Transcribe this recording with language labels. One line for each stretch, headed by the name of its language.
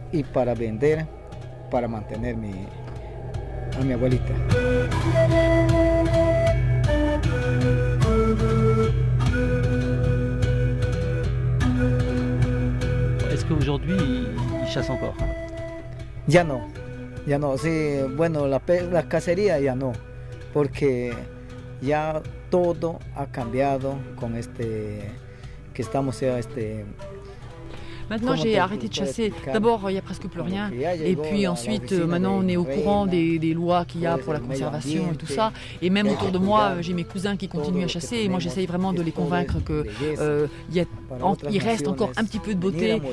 French: Et pour vendre, pour maintenir ma abuelita. Est-ce qu'aujourd'hui ils chassent encore?
Spanish: Ya no. Sí, bueno, la cacería ya no, porque ya todo ha cambiado con este que estamos ya este.
French: Maintenant, j'ai arrêté de chasser. D'abord, il n'y a presque plus rien. Et puis ensuite, maintenant, on est au courant des lois qu'il y a pour la conservation et tout ça. Et même autour de moi, j'ai mes cousins qui continuent à chasser. Et moi, j'essaye vraiment de les convaincre qu'il reste encore un petit peu de beauté.